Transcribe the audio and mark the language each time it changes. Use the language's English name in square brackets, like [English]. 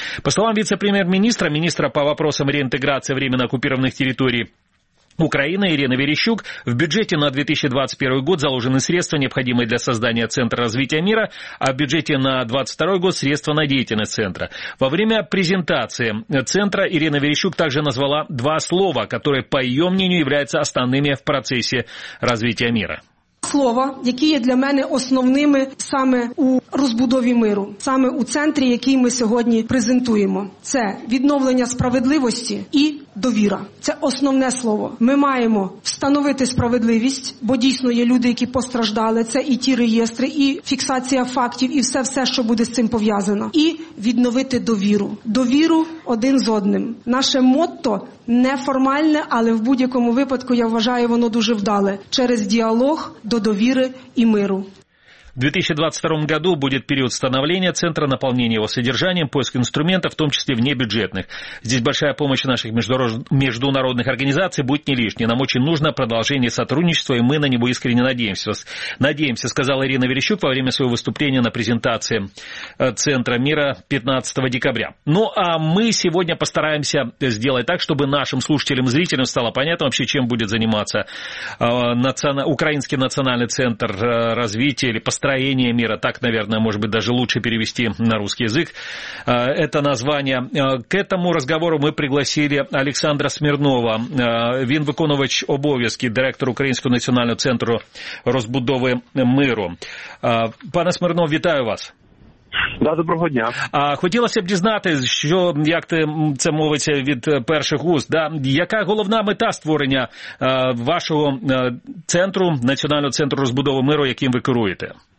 [Russian] По словам вице-премьер-министра, министра по вопросам реинтеграции временно оккупированных территорий Украина Ирина Верещук, в бюджете на 2021 год заложены средства, необходимые для создания Центра развития мира, а в бюджете на 2022 год средства на деятельность Центра. Во время презентации Центра Ирина Верещук также назвала два слова, которые, по ее мнению, являются основными в процессе развития мира. [Ukrainian] Слова, які є для мене основними саме у розбудові миру, саме у центрі, який ми сьогодні презентуємо. Це відновлення справедливості і довіра. Це основне слово. Ми маємо встановити справедливість, бо дійсно є люди, які постраждали. Це і ті реєстри, і фіксація фактів, і все-все, що буде з цим пов'язано. І відновити довіру. Довіру один з одним. Наше мотто неформальне, але в будь-якому випадку, я вважаю, воно дуже вдале. Через діалог до довіри і миру. [Russian] В 2022 году будет период становления центра, наполнения его содержанием, поиск инструментов, в том числе внебюджетных. Здесь большая помощь наших международных организаций будет не лишней. Нам очень нужно продолжение сотрудничества, и мы на него искренне надеемся. Надеемся, сказала Ирина Верещук во время своего выступления на презентации Центра мира 15 декабря. Ну, а мы сегодня постараемся сделать так, чтобы нашим слушателям и зрителям стало понятно вообще, чем будет заниматься Украинский национальный центр развития или построение мира, так, наверное, может быть, даже лучше перевести на русский язык это название. К этому разговору мы пригласили Александра Смирнова. [Ukrainian] Він виконувач обов'язки, директор Українського національного центру розбудови миру. Пане Смирнов, вітаю вас. Да, доброго дня. Хотілося б дізнати, що, як ти це мовиться від перших уст, да? Яка головна мета створення вашого центру, Національного центру розбудови миру, яким ви керуєте?